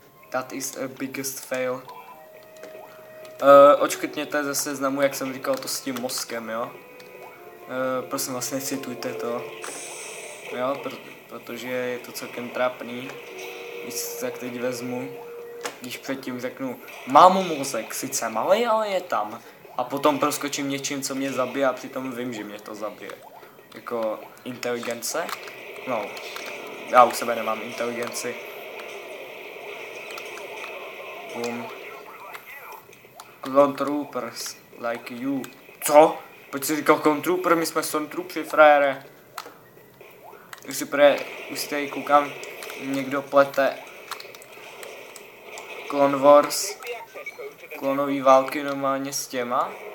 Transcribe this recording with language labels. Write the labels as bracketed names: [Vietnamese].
[English] That is the biggest fail. [Czech] Očkrtněte ze seznamu, jak jsem říkal, to s tím mozkem, jo? Prosím vás, necitujte to. Jo, protože je to celkem trapný. Když se tak teď vezmu, když předtím řeknu, mám mozek, sice malý, ale je tam. A potom proskočím něčím, co mě zabije, a přitom vím, že mě to zabije. Jako inteligence? No, já u sebe nemám inteligenci. Boom. [English] Clone Troopers, like you. [Czech] Co? Proč jsi říkal Clone Trooper? My jsme Clone Troopers, frajere. Už si tady koukám, někdo plete Clone Wars, klonový války normálně s těma.